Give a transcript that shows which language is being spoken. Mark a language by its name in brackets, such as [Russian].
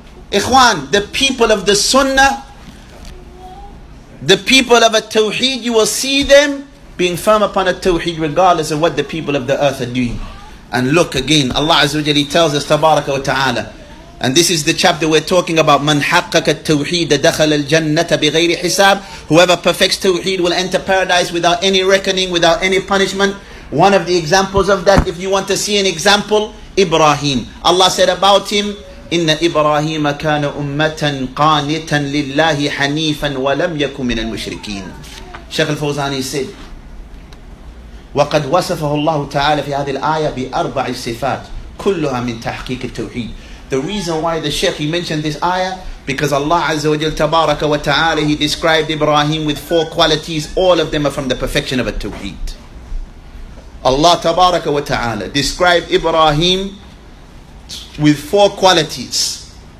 [English] Ikhwan, the people of the sunnah, the people of a tawheed, you will see them being firm upon a tawheed regardless of what the people of the earth are doing. And look again, Allah Azza wa Jalla tells us, Tabaraka wa Ta'ala, And this is the chapter we're talking about. [Arabic] مَنْ حَقَّكَ التَّوْحِيدَ دَخَلَ الْجَنَّةَ بِغَيْرِ حِسَابٍ. [English] Whoever perfects Tawheed will enter paradise without any reckoning, without any punishment. One of the examples of that, if you want to see an example, Ibrahim. Allah said about him, [Arabic] إِنَّ إِبْرَاهِيمَ كَانَ أُمَّةً قَانِتًا لِلَّهِ حَنِيفًا وَلَمْ يَكُمْ مِنَ الْمُشْرِكِينَ. [English] Shaykh al-Fawzani said, [Arabic] وَقَدْ وَصَفَهُ اللَّهُ تَعَالَى فِي هَذِهِ الْآيَةِ بِأَرْبَعِ صِفَاتٍ كُلُّهَا مِنْ تَحْقِيقِ التَّوْحِيدِ. [English] The reason why the Shaykh, he mentioned this ayah, because Allah Azza wa Jal Tabaraka wa Ta'ala, he described Ibrahim with four qualities. All of them are from the perfection of a Tawheed. Allah Tabaraka wa Ta'ala described Ibrahim with four qualities.